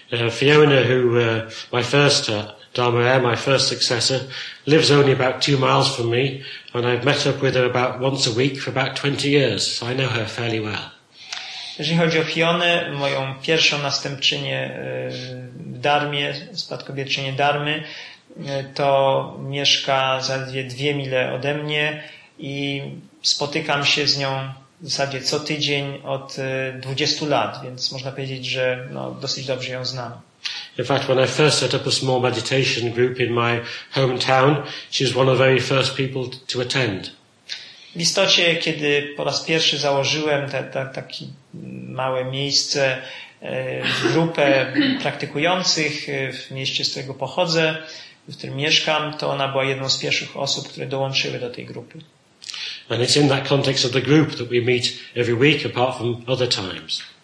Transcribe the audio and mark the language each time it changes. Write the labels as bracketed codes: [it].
[en] Fiona, who my first Dharma heir, my first successor, lives only about 2 miles from me, and I've met up with her about once a week for about 20 years, so I know her fairly well. [pl] Jeżeli chodzi o Fionę, moją pierwszą następczynię w Darmie, spadkobierczynię Darmy, to mieszka zaledwie 2 mile ode mnie i spotykam się z nią w zasadzie co tydzień od 20 lat, więc można powiedzieć, że no, dosyć dobrze ją znam. [en] In fact, when I first set up a small meditation group in my hometown, she was one of the very first people to attend. [pl] W istocie, kiedy po raz pierwszy założyłem takie małe miejsce, grupę praktykujących w mieście, z którego pochodzę, w którym mieszkam, to ona była jedną z pierwszych osób, które dołączyły do tej grupy. [en] And it's in that context of the group that we meet every week, apart from other times.